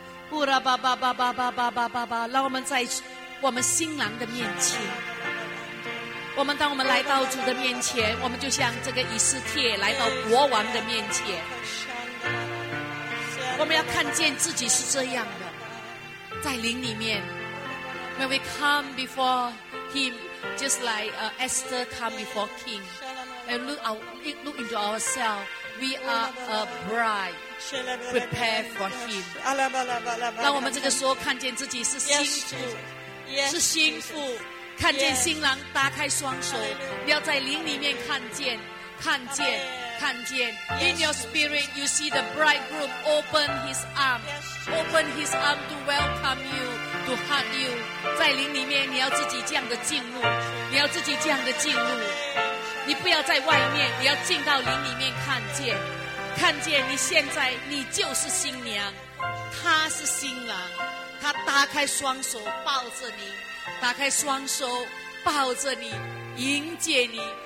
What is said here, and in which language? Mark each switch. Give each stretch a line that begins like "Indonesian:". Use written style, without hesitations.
Chinese: 呼啦巴巴巴巴巴巴巴巴巴，让我们在我们新郎的面前。我们当我们来到主的面前，我们就像这个以斯帖来到国王的面前。我们要看见自己是这样的，在灵里面。
English: May we come before him just like Esther come before king. And look into ourselves. We are a bride. Prepare for him.
Chinese: 让我们这个时候看见自己是新妇，是新妇，看见新郎打开双手，你要在灵里面看见，看见，看见。
English: In your spirit, you see the bridegroom open his arm, open his arm to welcome you, to hug you.
Chinese: 在灵里面，你要自己这样的进入，你要自己这样的进入，你不要在外面，你要进到灵里面看见。看见你现在，你就是新娘，他是新郎，他打开双手抱着你，打开双手抱着你，迎接你。